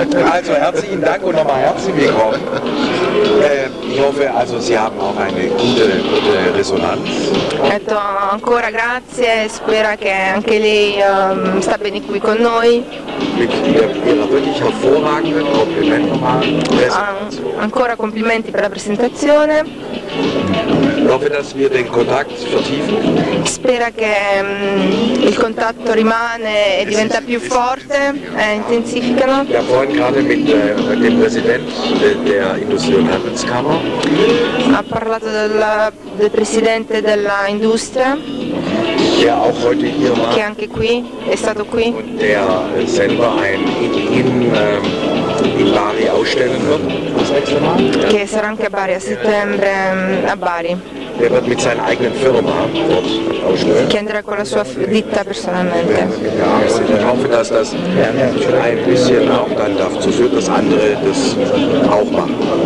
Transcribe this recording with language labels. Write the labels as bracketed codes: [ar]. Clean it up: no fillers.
[de] Also herzlichen Dank und nochmal herzlich willkommen. Ich hoffe, also Sie haben auch eine gute Resonanz. [it] Detto ancora grazie, spera che anche lei sta bene qui con noi. [de] Wirklich hervorragende Kompliment nochmal. [it] Ancora complimenti per la presentazione. [de] Ich hoffe, dass wir den Kontakt vertiefen. [it] Spera che il contatto rimane e diventa più forte, intensificano. [de] Wir haben vorhin gerade mit dem Präsident der Industrie- und Handelskammer. [it] Ha parlato del presidente della industria. [de] Der auch heute hier war. [it] Che anche qui è stato qui. [de] Und der selber ein in Bari ausstellen wird. [it] Che sarà anche a Bari a settembre a Bari. [de] Der wird mit seiner eigenen Firma dort ausstellen. [it] Che andrà con la sua ditta personalmente. [de] Ja, ich hoffe, dass das ein bisschen auch dann dazu führt, dass andere das auch machen.